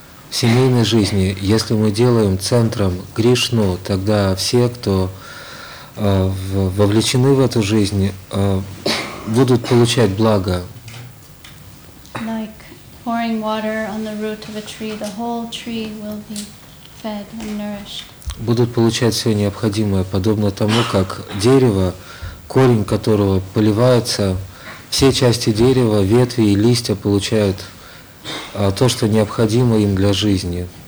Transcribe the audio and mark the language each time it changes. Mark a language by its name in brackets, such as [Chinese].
[Russian] В семейной жизни, если мы делаем центром Кришну, тогда все, кто вовлечены в эту жизнь, будут получать благо. [English] Like pouring water on the root of a tree, the whole tree will be fed and nourished. [Russian] Будут получать все необходимое, подобно тому, как дерево, корень которого поливается, все части дерева, ветви и листья получают то, что необходимо им для жизни.